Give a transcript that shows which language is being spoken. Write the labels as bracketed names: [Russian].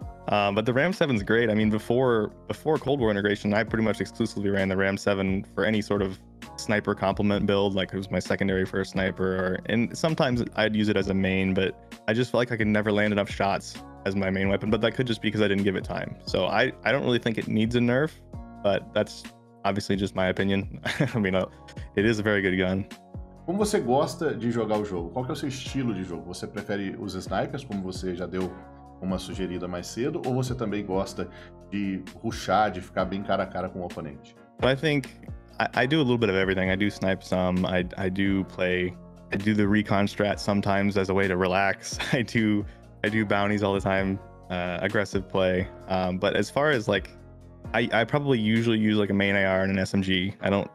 [English] But the RAM 7 is great. I mean, before Cold War integration, I pretty much exclusively ran the RAM 7 for any sort of sniper complement build, like it was my secondary for a sniper, and sometimes I'd use it as a main, but I just felt like I could never land enough shots as my main weapon, but that could just be because I didn't give it time. So I don't really think it needs a nerf, but that's obviously just my opinion. I mean, it is a very good gun. [Portuguese] Como você gosta de jogar o jogo? Qual que é o seu estilo de jogo? Você prefere os snipers, como você já deu uma sugerida mais cedo, ou você também gosta de rushar, de ficar bem cara a cara com o oponente? [English] I think I do a little bit of everything. I do snipe some. I do the recon strat sometimes as a way to relax. I do bounties all the time, aggressive play. But as far as like, I probably usually use like a main AR and an SMG.